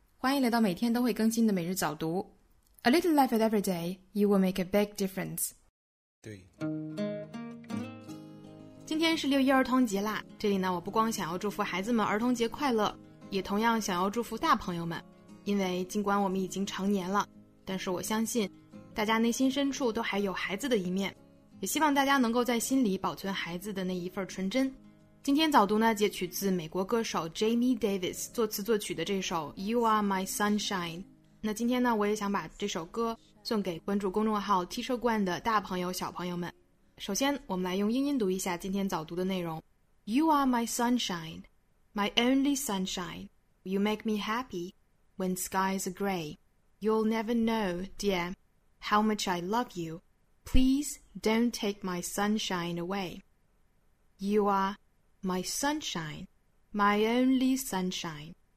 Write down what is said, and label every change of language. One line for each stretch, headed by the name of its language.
Chinese: 欢迎来到每天都会更新的每日早读。
English: A little effort every day, you will make a big difference.
Chinese: 对。今天是六一儿童节啦，这里呢，我不光想要祝福孩子们儿童节快乐，也同样想要祝福大朋友们。因为尽管我们已经成年了，但是我相信大家内心深处都还有孩子的一面，也希望大家能够在心里保存孩子的那一份纯真。今天早读呢，截取自美国歌手 Jamie Davis 作词作曲的这首 You Are My Sunshine。那今天呢，我也想把这首歌送给关注公众号 Teacher Gwen 的大朋友小朋友们。首先我们来用英音读一下今天早读的内容。
English: You are my sunshine, my only sunshine. You make me happy when skies are gray. You'll never know, dear, how much I love you. Please don't take my sunshine away. You areMy sunshine, my only sunshine.